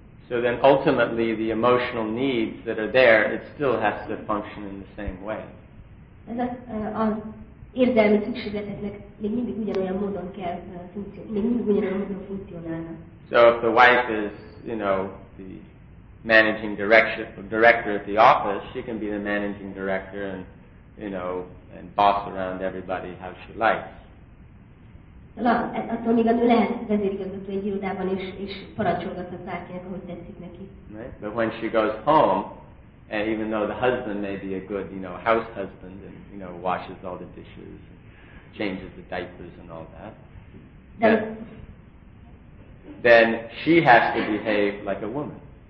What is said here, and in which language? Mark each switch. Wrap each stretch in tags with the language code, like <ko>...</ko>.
<en>So then ultimately the emotional needs that are there, it still has to function in the same way.</en> <hu>Ez az érzelmi szükségleteknek még mindig ugyanolyan módon kell funkcionálni, még mindig ugyanolyan módon funkcionálna.</hu> <en>So if the wife is, you know, the managing director at the office, she can be the managing director and, you know, and boss around everybody how she likes.</en> <hu>Attól még a nő lehet vezérigazgató egy irodában is, és parancsolgat a szárkinek, ahogy tetszik neki.</hu> <en>Right? But when she goes home, and even though the husband may be a good, you know, house husband, and, you know, washes all the dishes, and changes the diapers and all that, then she has to behave like a woman.</en>